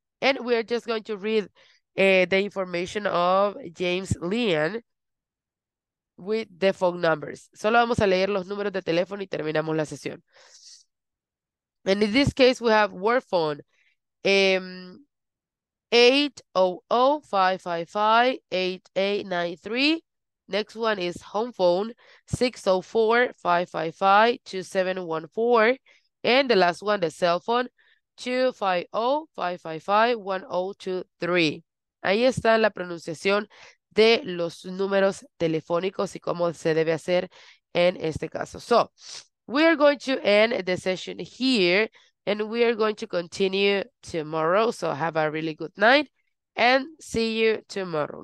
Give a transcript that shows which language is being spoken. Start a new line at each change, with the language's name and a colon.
English: And we are just going to read the information of James Leon with the phone numbers.
Spanish: Solo vamos a leer los números de teléfono y terminamos la sesión.
English: And in this case, we have work phone 800-555-8893. Next one is home phone 604-555-2714. And the last one, the cell phone 250-555-1023.
Spanish: Ahí está la pronunciación de los números telefónicos y cómo se debe hacer en este caso.
English: So, we are going to end the session here and we are going to continue tomorrow. So, have a really good night and see you tomorrow.